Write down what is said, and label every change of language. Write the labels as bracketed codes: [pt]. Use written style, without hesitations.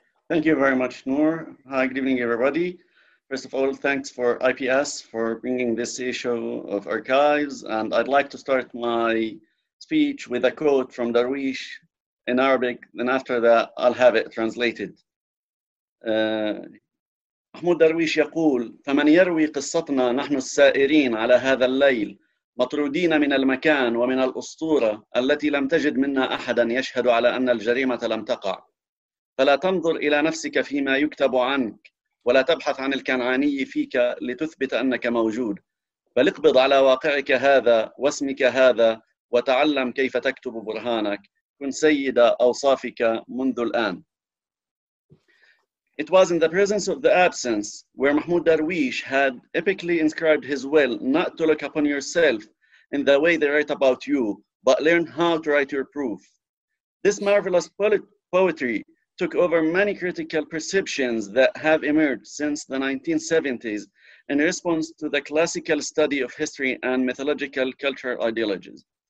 [en] Thank you very much, Noor. Hi, good evening, everybody. First of all, thanks for IPS for bringing this issue of archives. And I'd like to start my speech with a quote from Darwish in Arabic, and after that, I'll have it translated. [ar] Mahmoud Darwish يقول فمن يروي قصتنا نحن السائرين على هذا الليل مطرودين من المكان ومن الأسطورة التي لم تجد منا أحدا يشهد على أن الجريمة لم تقع فلا تنظر إلى نفسك فيما يكتب عنك ولا تبحث عن الكنعاني فيك لتثبت أنك موجود بل اقبض على واقعك هذا واسمك هذا وتعلم كيف تكتب برهانك كن سيد أوصافك منذ الآن. [en] It was in the presence of the absence where Mahmoud Darwish had epically inscribed his will not to look upon yourself in the way they write about you, but learn how to write your proof. This marvelous poetry took over many critical perceptions that have emerged since the 1970s in response to the classical study of history and mythological cultural ideologies,